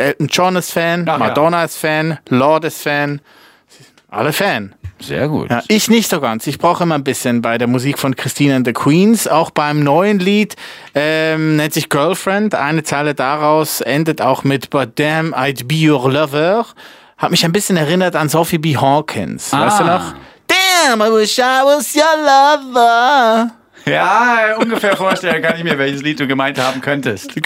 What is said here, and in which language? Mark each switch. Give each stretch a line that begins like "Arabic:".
German: Elton John ist Fan, ach, Madonna ist Fan, Lord ist Fan, alle Fan. Sehr gut. Ja, ich nicht so ganz. Ich brauche immer ein bisschen bei der Musik von Christine and the Queens. Auch beim neuen Lied nennt sich Girlfriend. Eine Zeile daraus endet auch mit
English: But damn, I'd be your lover.
German: Hat mich ein bisschen erinnert an Sophie B. Hawkins. Ah. Weißt du noch?
English: Damn, I wish I was your lover.
German: Ja, ungefähr vorstellen kann ich mir, welches Lied du gemeint haben könntest.